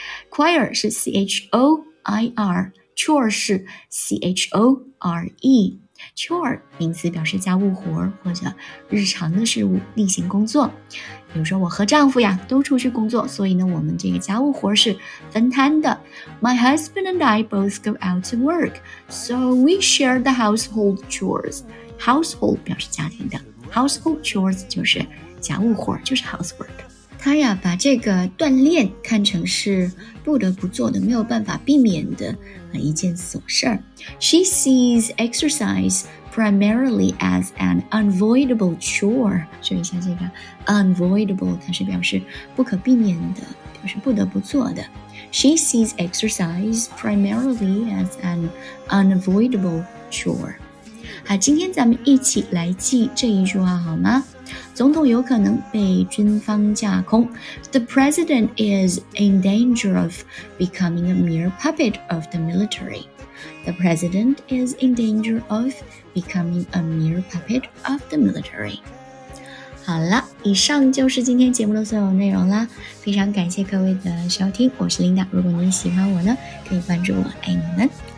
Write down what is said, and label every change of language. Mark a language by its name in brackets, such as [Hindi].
[Chinese] Choir 是 C-H-O-I-R, chore 是 C-H-O-R-E. Chore 名词表示家务活或者日常的事物例行工作，比如说我和丈夫呀都出去工作，所以呢我们这个家务活是分摊的。 [English] My husband and I both go out to work, so we share the household chores. [Chinese] Household 表示家庭的， [English] household chores [Chinese] 就是家务活，就是 housework。他呀把这个锻炼看成是不得不做的，没有办法避免的一件琐事。 [English] She sees exercise primarily as an unavoidable chore. [Chinese] 注意一下这个 unavoidable, 它是表示不可避免的，表示不得不做的。 [English] She sees exercise primarily as an unavoidable chore. [Chinese] 好，今天咱们一起来记这一句话好吗？总统有可能被军方架空。 [English] The president is in danger of becoming a mere puppet of the military. The president is in danger of becoming a mere puppet of the military. [Chinese] 好了，以上就是今天节目的所有内容啦。非常感谢各位的收听，我是琳达。如果您喜欢我呢，可以关注我，爱你们。